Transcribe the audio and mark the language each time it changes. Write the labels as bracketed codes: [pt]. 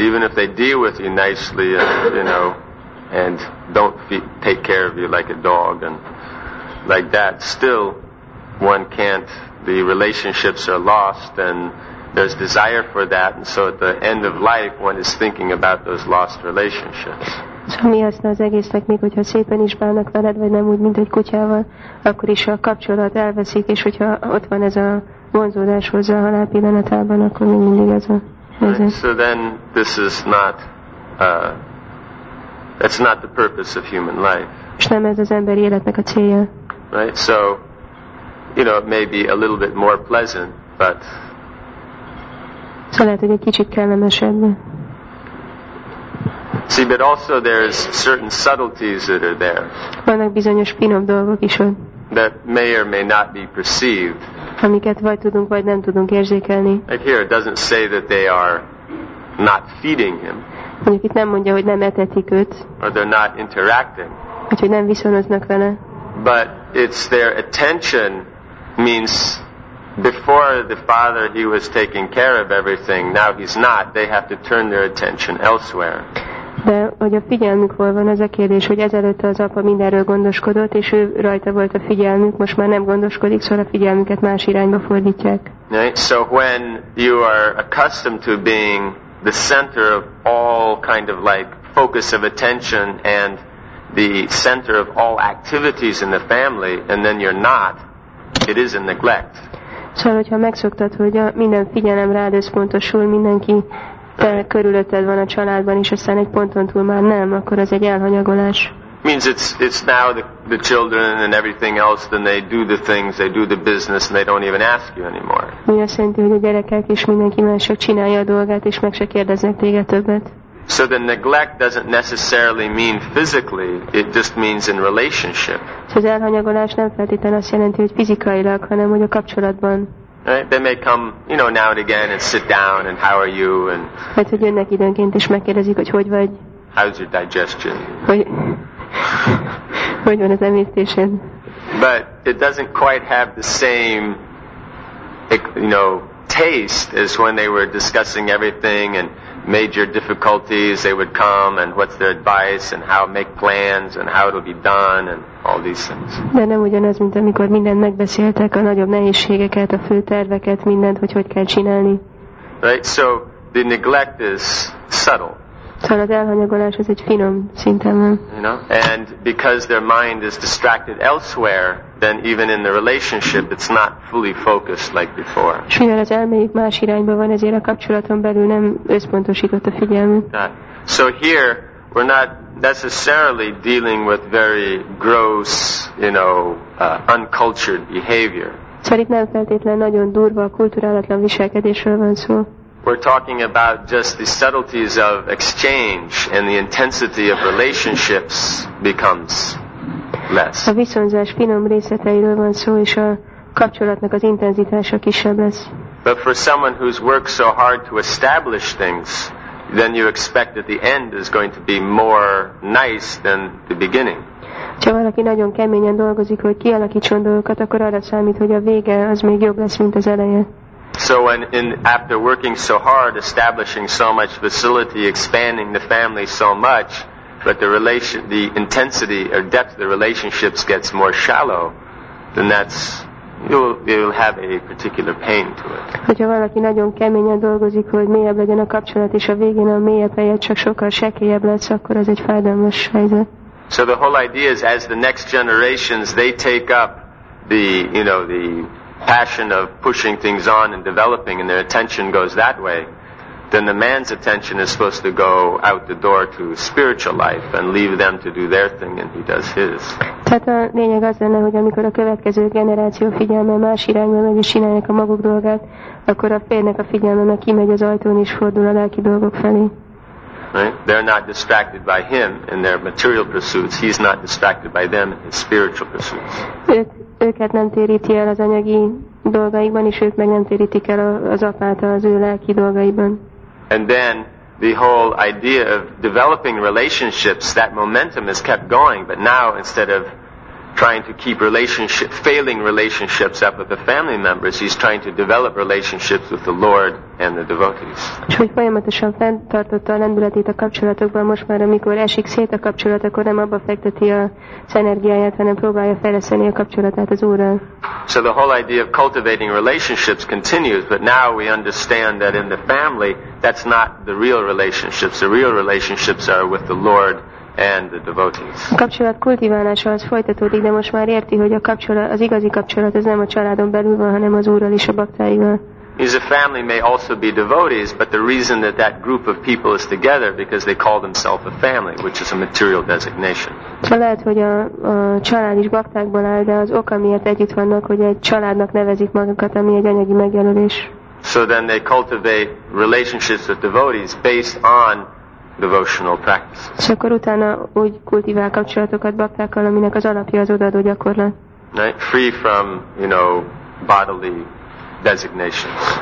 [en] Even if they deal with you nicely and, you know, and don't take care of you like a dog and like that, still one can't, the relationships are lost and there's desire for that, and so at the end of life one is thinking about those lost relationships. [hu] So mi haszna az egésznek, még hogyha szépen is bánnak veled, vagy nem úgy, mint egy kutyával, akkor is a kapcsolat elveszik, és hogyha ott van ez a vonzódás hozzá a halál pillanatában, akkor még mindig ez a helyzet. [en] Right. So then this is not that's not the purpose of human life. [hu] És nem ez az emberi életnek a célja. [en] Right, so you know, it may be a little bit more pleasant, but [hu] szóval lehet, hogy egy kicsit kellemesebb. [en] See, but also there is certain subtleties that are there. [hu] Vannak bizonyos finom dolgok is ott. [en] That may or may not be perceived. [hu] Amiket vagy tudunk, vagy nem tudunk érzékelni. [en] Like here, it doesn't say that they are not feeding him. [hu] Mondjuk itt nem mondja, hogy nem etetik őt. [en] Or they're not interacting. [hu] Hogy nem viszonoznak vele. [en] But it's their attention means before the father he was taking care of everything, now he's not, they have to turn their attention elsewhere. [hu] De hogy a figyelmük hol van, ez a kérdés, hogy ezelőtt az apa mindenről gondoskodott, és ő rajta volt a figyelmük, most már nem gondoskodik, szóval a figyelmüket más irányba fordítják. [en] Right? So when you are accustomed to being the center of all kind of like focus of attention and the center of all activities in the family, and then you're not, it is a neglect. [hu] Szóval, hogyha megszoktad, hogy a minden figyelem rád összpontosul, mindenki te körülötted van a családban, és aztán egy ponton túl már nem, akkor az egy elhanyagolás. [en] Means it's now the children and everything else, then they do the things, they do the business, and they don't even ask you anymore. [hu] Mi azt jelenti, hogy a gyerekek és mindenki más csak csinálja a dolgát, és meg se kérdeznek téged többet. [en] So the neglect doesn't necessarily mean physically, it just means in relationship. [hu] So az elhanyagolás nem feltétlenül azt jelenti, hogy fizikailag, hanem hogy a kapcsolatban. [en] Right? They may come, you know, now and again and sit down and how are you and [hu] hát, hogy jönnek időnként és megkérdezik, hogy hogy vagy. [en] How's your digestion? [hu] Hogy van az emésztésed? [en] But it doesn't quite have the same, you know, taste as when they were discussing everything and major difficulties, they would come and what's their advice and how make plans and how it'll be done and all these things. [hu] De nem ugyanaz, mint amikor mindent megbeszéltek, a nagyobb nehézségeket, a fő terveket, mindent, hogy hogy kell csinálni. [en] Right, so the neglect is subtle. [hu] Szóval az elhanyagolás az egy finom szinten van. [en] You know, and because their mind is distracted elsewhere, then even in the relationship it's not fully focused like before. [hu] És mivel az elméjük más irányba van, ezért a kapcsolaton belül nem összpontosított a figyelmük. [en] So here we're not necessarily dealing with very gross, you know, uncultured behavior. [hu] Szóval itt nem feltétlen nagyon durva, kulturálatlan viselkedésről van szó. [en] We're talking about just the subtleties of exchange and the intensity of relationships becomes less. [hu] A viszonzás finom részleteiről van szó, és a kapcsolatnak az intenzitása kisebb lesz. [en] But for someone who's worked so hard to establish things, then you expect that the end is going to be more nice than the beginning. [hu] Ha valaki nagyon keményen dolgozik, hogy kialakítson dolgokat, akkor arra számít, hogy a vége az még jobb lesz, mint az eleje. [en] So when in after working so hard, establishing so much facility, expanding the family so much, but the relation, the intensity or depth of the relationships gets more shallow, then that's you'll have a particular pain to it. [hu] Hogyha valaki nagyon keményen dolgozik, hogy mélyebb legyen a kapcsolat, és a végén a mélyebb helyet csak sokkal sekélyebb lesz, akkor az egy fájdalmas helyzet. [en] So the whole idea is, as the next generations, they take up the, you know, the passion of pushing things on and developing, and their attention goes that way, then the man's attention is supposed to go out the door to spiritual life and leave them to do their thing, and he does his. [hu] Tehát a lényeg az lenne, hogy amikor a következő generáció figyelme más irányba megy, és csinálják a maguk dolgát, akkor a férjnek a figyelme meg kimegy az ajtón, és fordul a lelki dolgok felé. [en] Right? They're not distracted by him in their material pursuits. He's not distracted by them in his spiritual pursuits. [hu] Őket nem téríti el az anyagi dolgaikban, és ők meg nem térítik el az apát az ő lelki dolgaiban. [en] And then the whole idea of developing relationships, that momentum is kept going, but now instead of trying to keep relationship, failing relationships up with the family members, he's trying to develop relationships with the Lord and the devotees. [hu] És hogy folyamatosan fenntartotta a lendületét a kapcsolatokban, most már amikor esik szét a kapcsolat, akkor nem abba fekteti az energiáját, hanem próbálja fejleszteni a kapcsolatát az Úrral. [en] So the whole idea of cultivating relationships continues, but now we understand that in the family, that's not the real relationships. The real relationships are with the Lord and the devotees. [hu] A kapcsolat kultiválása az folytatódik, de most már érti, hogy a kapcsolat, az igazi kapcsolat ez nem a családon belül van, hanem az Úrral és a baktáival. [en] His family may also be devotees, but the reason that that group of people is together because they call themselves a family, which is a material designation. [hu] De lehet, hogy a család is baktákból áll, de az oka miért együtt vannak, hogy egy családnak nevezik magukat, ami egy anyagi megjelölés. [en] So then they cultivate relationships with devotees based on devotional practice. [hu] És akkor utána úgy kultivál kapcsolatokat baktákkal, aminek az alapja az odaadó gyakorlat. [en] Right? Free from, you know, bodily designations.